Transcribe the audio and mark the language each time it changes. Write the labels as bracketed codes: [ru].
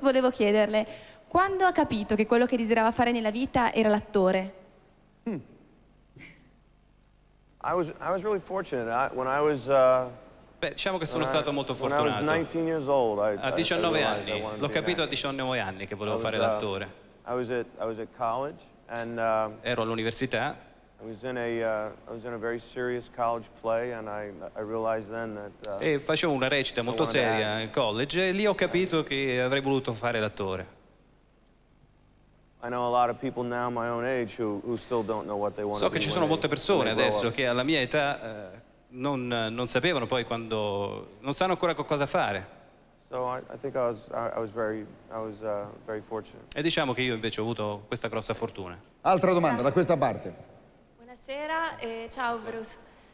[it] Volevo chiederle, quando ha capito che quello che desiderava fare nella vita era l'attore? [en] I was really fortunate. [it] Diciamo che sono stato molto fortunato. [en] When I was 19 years old, [it] a 19 anni, l'ho capito a 19 anni che volevo fare l'attore. [en] I was at college and [it] ero all'università. [en] I was in a very serious college play and I realized then that [it] e facevo una recita molto seria in college e lì ho capito che avrei voluto fare l'attore. [en] I know a lot of people now my own age who still don't know what they want to do. [it] So che ci sono molte persone adesso che alla mia età non sapevano poi quando non sanno ancora cosa fare. [en] So I think I was very fortunate. [it] E diciamo che io invece ho avuto questa grossa fortuna. Altra domanda da questa parte. Buonasera e ciao Bruce.